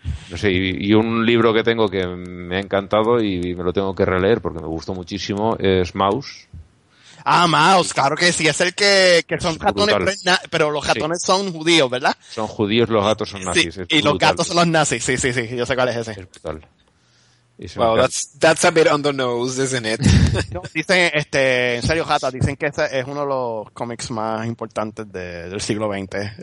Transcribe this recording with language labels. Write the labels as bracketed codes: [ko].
[es] No sé, y un libro que tengo que me ha encantado y me lo tengo que releer porque me gustó muchísimo es Maus. Ah, Maus, claro que sí, es el que son ratones, pero los ratones son judíos, ¿verdad? Son judíos, los gatos son nazis. Sí, y los gatos son los nazis, sí, yo sé cuál es ese. Es brutal. [en] Wow, that's a bit on the nose, isn't it? [es] Dicen, en serio, Jata, dicen que este es uno de los cómics más importantes del siglo XX.